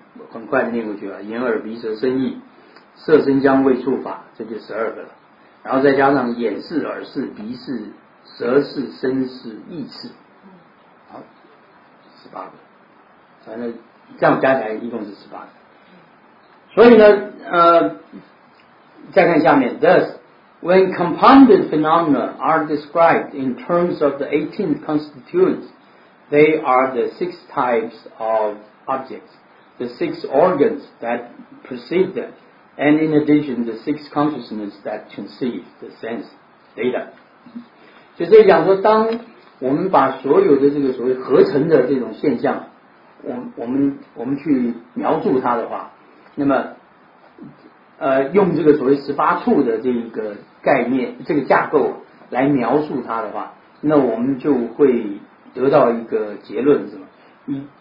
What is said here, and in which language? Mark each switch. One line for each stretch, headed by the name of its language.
Chinese: 很快念过去了，眼耳鼻舌身意，色声香味触法，这就十二个了，然后再加上眼视耳视鼻视。舌是身是意识，好，十八个，反正这样加起来一共是十八个。所以呢，再看下面
English: ，Thus, when compounded phenomena are described in terms of the 18 constituents, they are the six types of objects, the six organs that perceive them, and in addition, the six consciousness that conceive the sense data.
Chinese: 就是讲说，当我们把所有的这个所谓合成的这种现象，我们去描述它的话，那么，用这个所谓十八处的这一个概念、这个架构来描述它的话，那我们就会得到一个结论是什么？